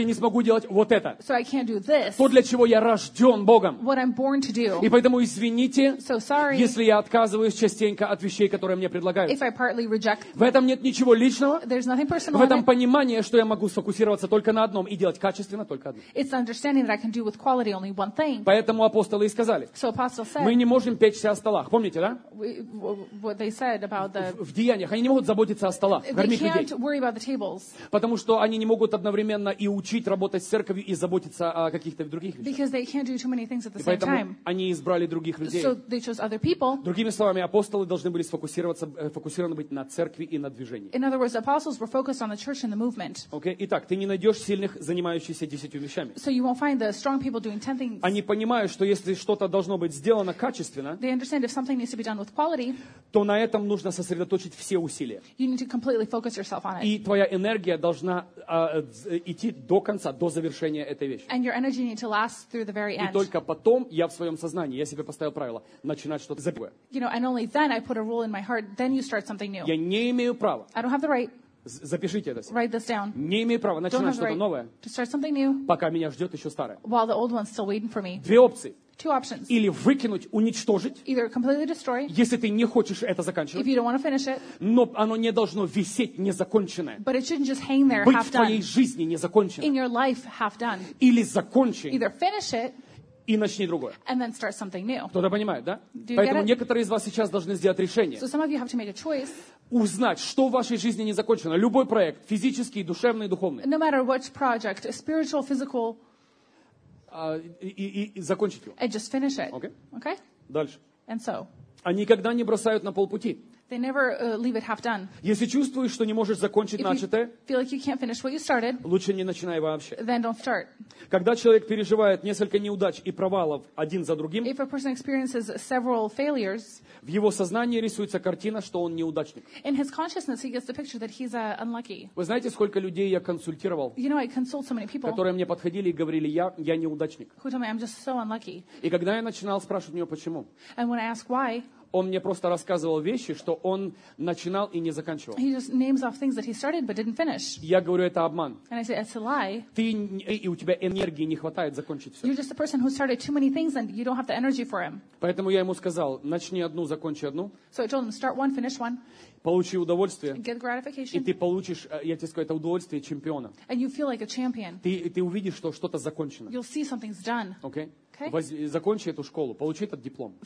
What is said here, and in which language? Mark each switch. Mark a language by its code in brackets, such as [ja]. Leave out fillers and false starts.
[ru] я не смогу делать вот это. [en] So I can't do this, [ru] то, для чего я рожден Богом. [en] What I'm born to do. [ru] И поэтому извините, [en] so sorry, [ru] если я отказываюсь частенько от вещей, которые мне предлагают. [en] If I partly reject, [ru] в этом нет ничего личного. [en] There's nothing personal. [ru] В этом понимание, что я могу сфокусироваться только на одном и делать качественно только одно. [en] It's understanding that I can do with quality only one thing. [ru] Поэтому апостолы и сказали. [en] So apostles said. [ru] Мы не можем печься о столах. Помните, да? [en] What they said about the. [ru] В деяниях они не могут заботиться о столах. [en] They can't [ru] людей. [en] Worry about the tables. [ru] Потому что они не могут одновременно и учить работать с церковью и заботиться о каких-то других вещах. [en] Because they can't do too many things at the [ru] и поэтому [en] same time. [ru] Они избрали других людей. [en] So they chose other people. [ru] Другими словами, апостолы должны были сфокусированы быть на церкви и на движении. [en] In other words, apostles were focused on the church and the movement. Okay. [ru] Итак, ты не найдешь сильных, занимающихся 10 вещами. [en] So you won't find the strong people doing 10 things. [ru] Они понимают, что если что-то должно быть сделано качественно, [en] they understand if something needs to be done with quality, [ru] то на этом нужно сосредоточить все усилия. [en] You need to completely focus yourself on it. [ru] И твоя энергия должна идти до конца, до завершения этой вещи. [en] And your energy need to last through the very end. [ru] И только потом я в своем сознании, я себе поставил правило, начинать что-то другое. [en] You know, and only then I put a rule in my heart, then you start something new. [ru] Я не имею права. [en] I don't have the right. [ru] Запишите это. [en] Write this down. [ru] Не имею права начинать что-то новое, [en] to start something new, [ru] пока меня ждет еще старое. [en] While the old one's still waiting for me. [ru] Две опции. [en] Two options. [ru] Или выкинуть, уничтожить. [en] Either completely destroy, [ru] если ты не хочешь это заканчивать. [en] If you don't want to finish it, [ru] но оно не должно висеть незаконченное. [en] But it shouldn't just hang there, [ru] быть [en] half done, [ru] в твоей жизни незаконченное. [en] In your life, half done. [ru] Или закончи. [en] Either finish it, [ru] и начни другое. [en] And then start something new. [ru] Кто-то понимает, да? [en] Do you [ru] поэтому [en] get it? [ru] Некоторые из вас сейчас должны сделать решение. [en] So some of you have to make a choice. [ru] Узнать, что в вашей жизни не закончено. Любой проект, физический, душевный, духовный. [en] No matter what project, spiritual, physical. [ru] И закончить его. [en] And just finish it. Okay. Okay? [ru] Дальше. [en] And so. [ru] Они никогда не бросают на полпути. [en] They never leave it half done. [ru] Если чувствуешь, что не можешь закончить [en] if [ru] начатое, [en] feel like you can't finish what you started, [ru] лучше не начинай вообще. [en] Then don't start. [ru] Когда человек переживает несколько неудач и провалов один за другим, [en] if a person experiences several failures, [ru] в его сознании рисуется картина, что он неудачник. [en] In his consciousness, he gets the picture that he's unlucky. [ru] Вы знаете, сколько людей я консультировал, [en] you know, I consult so many people, [ru] которые мне подходили и говорили, я неудачник. [en] Who told me I'm just so unlucky. [ru] И когда я начинал спрашивать у него, почему, [en] and when I ask why, [ru] он мне просто рассказывал вещи, что он начинал и не заканчивал. [en] He just names off things that he started but didn't finish. [ru] Я говорю, это обман. [en] And I say, it's a lie. [ru] Ты и у тебя энергии не хватает закончить все. [en] You're just a person who started too many things and you don't have the energy for him. [ru] Поэтому я ему сказал, начни одну, закончи одну. [en] So I told him, start one, finish one. [ru] Получи удовольствие. [en] Get gratification. [ru] И ты получишь, я тебе скажу, это удовольствие чемпиона. [en] And you feel like a champion. [ru] Ты увидишь, что что-то закончено. [en] You'll see something's done. Okay? Okay. [ru] Закончи эту школу, получи этот диплом.